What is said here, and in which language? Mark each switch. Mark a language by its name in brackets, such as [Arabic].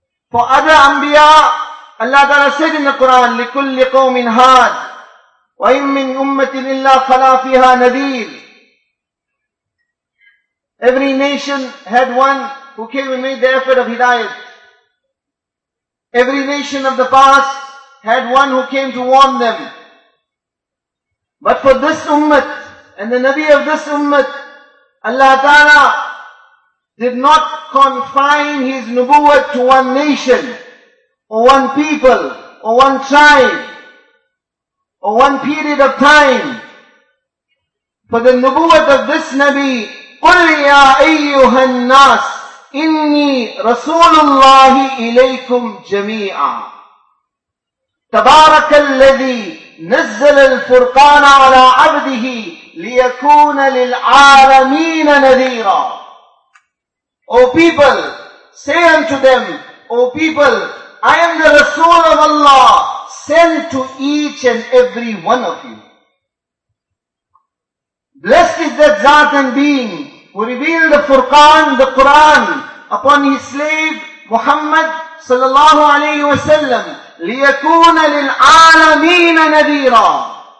[English] For other Anbiya, Allah Ta'ala said in the Quran, [Arabic] لِكُلِّ قَوْمٍ هَادٍ وَإِن مِّنْ أُمَّةٍ إِلَّا خَلَى فِيهَا نَذِيرٍ. [English] Every nation had one who came and made the effort of hidayat. Every nation of the past had one who came to warn them. But for this ummah and the Nabi of this ummah, Allah Ta'ala did not confine His nubuwwat to one nation, or one people, or one tribe, or one period of time. For the nubuwwat of this Nabi, [Arabic] قُلْ يَا أَيُّهَا النَّاسِ إِنِّي رَسُولُ اللَّهِ إِلَيْكُمْ جَمِيعًا تَبَارَكَ الَّذِي نَزَّلَ الْفُرْقَانَ عَلَىٰ عَبْدِهِ لِيَكُونَ لِلْعَالَمِينَ نَذِيرًا. [English] O people, say unto them, O people, I am the Rasul of Allah, sent to each and every one of you. Blessed is that Zat and Being who revealed the Furqan, the Quran, upon his slave Muhammad sallallahu alayhi wa sallam, [Arabic] لِيَكُونَ لِلْعَالَمِينَ نَذِيرًا.